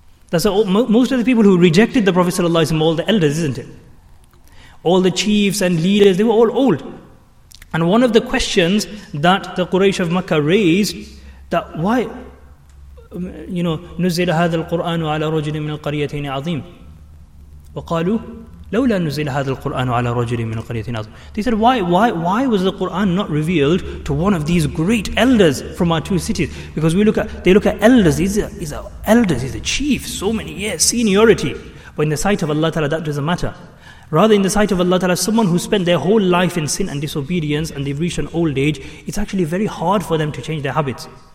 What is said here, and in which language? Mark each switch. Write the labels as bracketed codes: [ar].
[en] That's most of the people who rejected the Prophet sallallahu alaihi wasallam, all the elders, isn't it? All the chiefs and leaders, they were all old. And one of the questions that the Quraysh of Makkah raised, that why, you know, [ar] نزل هذا القرآن على رجل من القريتين عظيم. وقالوا لولا نزل هذا القرآن على رجل من القريتين عظيم. [en] They said, why was the Quran not revealed to one of these great elders from our two cities? Because they look at elders, these are chiefs, so many years, seniority. But in the sight of Allah Ta'ala, that doesn't matter. Rather, in the sight of Allah Ta'ala, someone who spent their whole life in sin and disobedience and they've reached an old age, it's actually very hard for them to change their habits.